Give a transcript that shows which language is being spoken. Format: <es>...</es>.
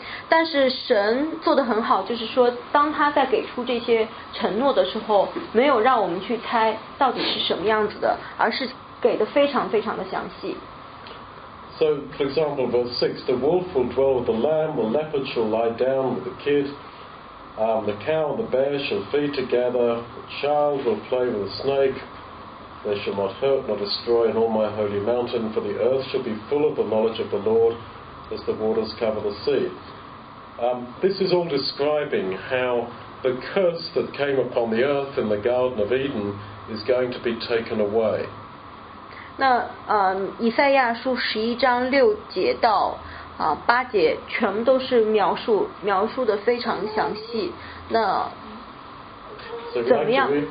<zh>但是神做得很好，就是说当他在给出这些承诺的时候，没有让我们去猜到底是什么样子的，而是给的非常非常的详细。</zh> <en>So, for example, verse 6, the wolf will dwell with the lamb, the leopard shall lie down with the kid, the cow and the bear shall feed together, the child will play with the snake, they shall not hurt nor destroy in all my holy mountain, for the earth shall be full of the knowledge of the Lord, as the waters cover the sea. This is all describing how the curse that came upon the earth in the Garden of Eden is going to be taken away.</en> <zh>那以赛亚书十一章六节到八节全部都是描述的非常详细。那怎么样？</zh>